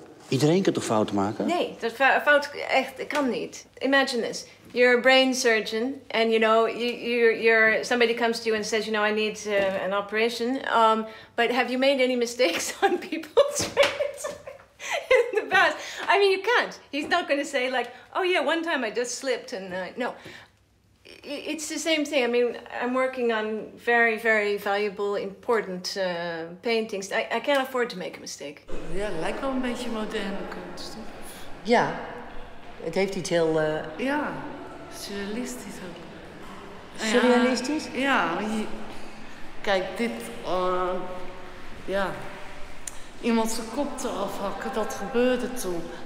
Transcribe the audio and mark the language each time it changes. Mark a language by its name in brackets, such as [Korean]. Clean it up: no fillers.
[Dutch] Iedereen kan toch fouten maken? Nee, dat fout echt kan niet. [English] Imagine this. You're a brain surgeon and you know you're somebody comes to you and says, you know, I need an operation. But have you made any mistakes on people's brains in the past? I mean, you can't. He's not going to say like, "Oh yeah, one time I just slipped and no." It's the same thing. I mean, I'm working on very, very valuable, important paintings. I can't afford to make a mistake. [Dutch] Ja, het lijkt wel een beetje moderne kunst. Ja, het heeft iets heel... Ja, surrealistisch ook. Surrealistisch? Ja, ja. Kijk, dit... ja, iemand zijn kop te afhakken, dat gebeurde toen.